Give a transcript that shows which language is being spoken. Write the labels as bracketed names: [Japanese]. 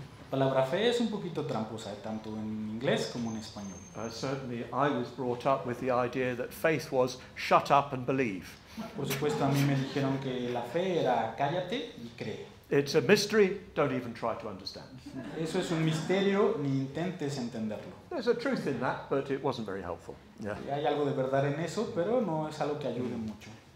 [Spanish] La palabra fe es un poquito tramposa, tanto en inglés como en español. [English] Certainly, I was brought up with the idea that faith was shut up and believe. [Spanish] Por supuesto, a mí me dijeron que la fe era cállate y cree. [English] It's a mystery, don't even try to understand. [Spanish] Eso es un misterio, ni intentes entenderlo. [English] There's a truth in that, but it wasn't very helpful. Yeah. [Spanish] Hay algo de verdad en eso, pero no es algo que ayude mucho.